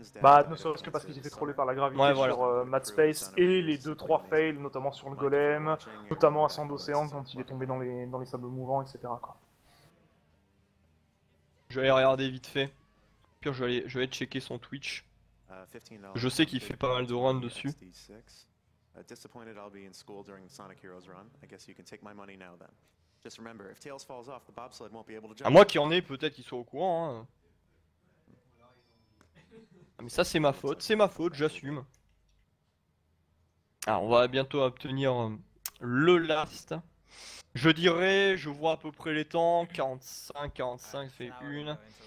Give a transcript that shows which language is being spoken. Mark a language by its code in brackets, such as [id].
[fr] Bah, ne serait-ce que parce qu'ils étaient trollés par la gravité, ouais, voilà, sur Mad Space et les 2-3 fails, notamment sur le golem, notamment à Sand Ocean quand il est tombé dans les sables mouvants, etc. Quoi. Je vais aller regarder vite fait. Puis je vais checker son Twitch. Je sais qu'il fait pas mal de runs dessus. [en] Disappointed I'll be in school during the Sonic Heroes run. I guess you can take my money now then. Just remember, if Tails falls off, the bobsled won't be able to jump. [fr] À moi qui en ai, peut-être qu'ils soient au courant, hein. Ah, mais ça c'est ma faute, j'assume. Alors on va bientôt obtenir le last. Je dirais, je vois à peu près les temps, 45 fait une.